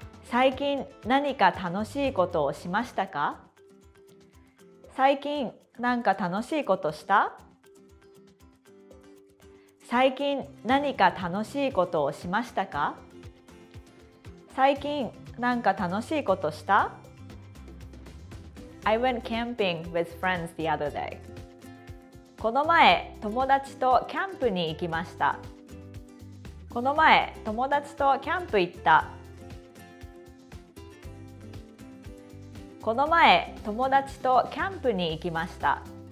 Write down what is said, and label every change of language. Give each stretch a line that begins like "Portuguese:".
Japanese: 最近何か楽しいことをしましたか? 最近何か楽しいことした? 最近何か楽しいことをしましたか？最近何か楽しいことした？
English: I went camping with friends the other day.
Japanese: この前、友達とキャンプに行きました。この前、友達とキャンプ行った。この前、友達とキャンプに行きました。